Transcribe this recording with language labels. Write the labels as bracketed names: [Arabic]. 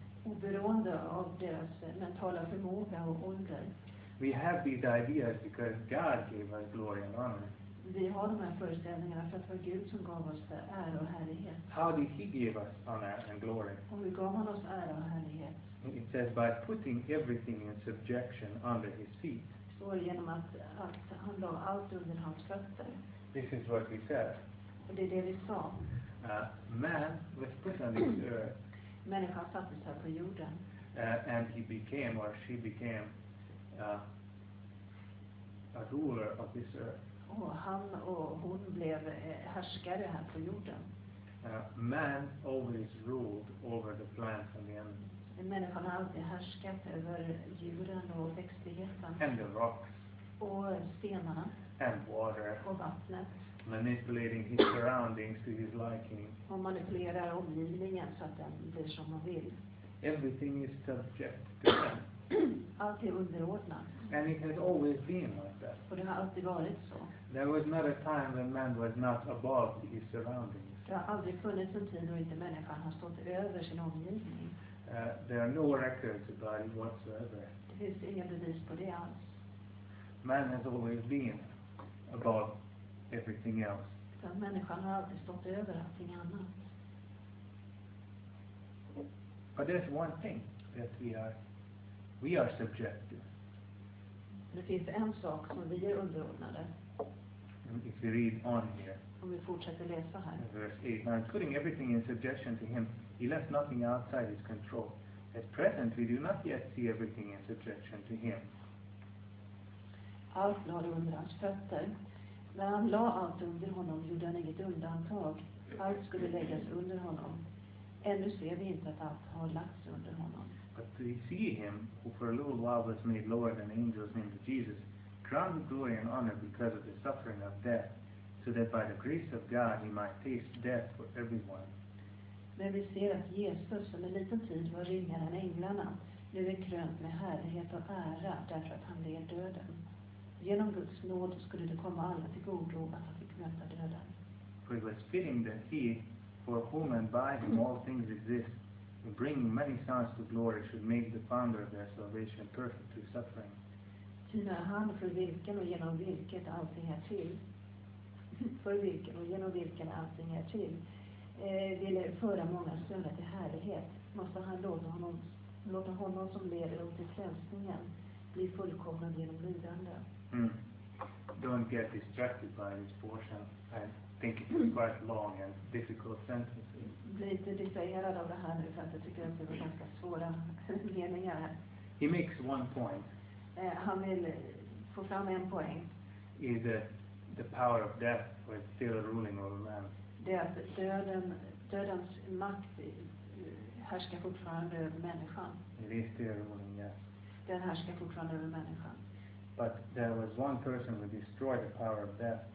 [Swedish] Oberoende av deras mentala förmåga och ålder. [English] We have these ideas because God gave us glory and honor. [Swedish] Vi har de här föreställningarna för att det var Gud som gav oss ära och härlighet. [English] How did he give us honor and glory? [Swedish] Och hur gav han oss ära och härlighet? [English] It says by putting everything in subjection under his feet. [Swedish] Det står genom att han la allt under hans fötter. [English] This is what we said. [Swedish] Och det är det vi sa. [English] man was put on this earth. [Swedish] Människan satte sig på jorden. [English] And he became, or she became, a ruler of this earth. [Swedish] Och han och hon blev härskare här på jorden. [English] Man always ruled over the plants and the animals. [Swedish] Människan har alltid härskat över djuren och växtligheten. [English] And the rocks. [Swedish] Och stenarna. [English] And water. [Swedish] Och vattnet. [English] Manipulating his surroundings to his liking. [Swedish] Och manipulerar omgivningen så att den blir som man vill. [English] Everything is subject to him. [Swedish] Allt är underordnat. [English] And it has always been like that. [Swedish] Och det har alltid varit så. [English] There was not a time when man was not above his surroundings. [Swedish] Det har aldrig funnits en tid då inte människan har stått över sin omgivning. [English] There are no records about it whatsoever. [Swedish] Det finns inga bevis på det alls. [English] Man has always been above everything else. [Swedish] Utan människan har alltid stått över allting annat. [English] But there's one thing that we are subject to. [Swedish] Det finns en sak som vi är underordnade. [English] And if we read on here. [Swedish] Om vi fortsätter läsa här. [English] In verse 8, man putting everything in subjection to him, he left nothing outside his control. At present we do not yet see everything in subjection to him. [Swedish] Allt lade under hans fötter. När han la allt under honom gjorde han inget undantag. Allt skulle läggas under honom. Ännu ser vi inte att allt har lagts under honom. [English] But we see him, who for a little while was made lower than angels, named Jesus, crowned with glory and honor because of the suffering of death, so that by the grace of God he might taste death for everyone. [Swedish] Men vi ser att Jesus, som en liten tid var ringare än änglarna, nu är krönt med härlighet och ära därför att han led döden. Genom Guds nåd skulle det komma alla till godo att han fick möta döden. [English] For it was fitting that he, for whom and by whom all things exist, in bringing many sons to glory, should make the founder of their salvation perfect through suffering. [Swedish] Ty när han, för vilken och genom vilket allting är till, för vilken och genom vilken allting är till, ville föra många söner till härlighet, måste han låta honom som leder åt till frälsningen bli fullkomnad genom lidande. [English] Don't get distracted by this portion. I think it's quite long and difficult sentences. [Swedish] Blir inte distraherad av det här nu för att jag tycker att det är ganska svåra meningar här. [English] He makes one point. [Swedish] Han vill få fram en poäng. [English] Is that the power of death was still ruling over man. [Swedish] Det är att dödens makt härskar fortfarande över människan. [English] It is still ruling, yes. [Swedish] Den härskar fortfarande över människan. [English] But there was one person who destroyed the power of death.